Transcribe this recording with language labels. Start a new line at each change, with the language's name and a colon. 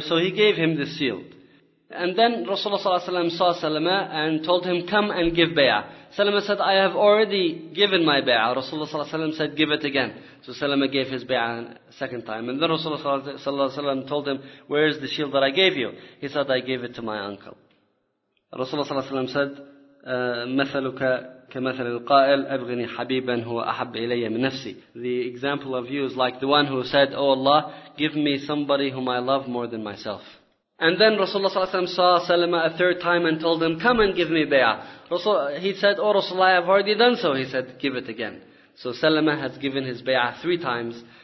English: So he gave him the shield. And then Rasulullah ﷺ saw Salama and told him, "Come and give bay'ah." Salama said, "I have already given my bay'ah." Rasulullah ﷺ said, "Give it again." So Salama gave his bay'ah a second time. And then Rasulullah ﷺ told him, "Where is the shield that I gave you?" He said, "I gave it to my uncle."
Arabic: Rasulullah صلى الله عليه وسلم
English: said,
Arabic: مثلك كمثل القائل أبغني حبيبا هو أحب إلي من نفسي.
English: The example of you is like the one who said, "Oh Allah, give me somebody whom I love more than myself." And then Rasulullah
Arabic: صلى الله عليه وسلم
English: saw Salama a third time and told him, "Come and give me bay'ah." He said, "Oh Rasulullah, I have already done so." He said, "Give it again." So Salama has given his bay'ah three times.